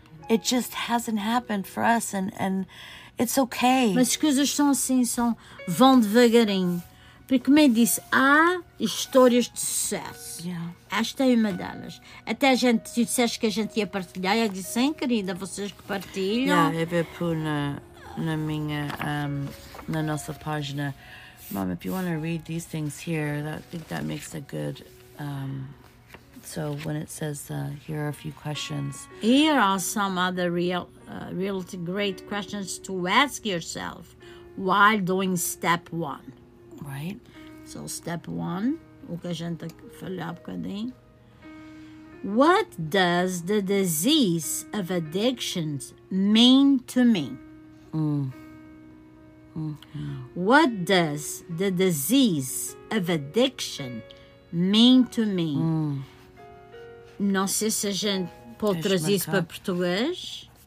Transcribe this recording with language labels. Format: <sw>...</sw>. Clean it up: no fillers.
<en>It just hasn't happened for us, and it's okay.</en> <pt>Mas as coisas são assim, vão devagarinho. Porque, como eu disse, há histórias de sucesso.</pt> <en>Yeah.</en> <pt>Esta é uma delas. Até a gente, se disseste que a gente ia partilhar, eu disse, sim, querida, vocês que partilham.</pt> <en>Yeah,</en> <pt>eu vou pôr na nossa página.</pt> <en>Mom, if you want to read these things here, that, I think that makes a good... So when it says, here are a few questions. Here are some other really great questions to ask yourself while doing step one. Right. So step one,</en> <pt>o que a gente falou um bocadinho.</pt> <en>What does the disease of addictions mean to me? What does the disease of addiction mean to me?</en> <pt>Não sei se a gente pode trazer isso para português.</pt>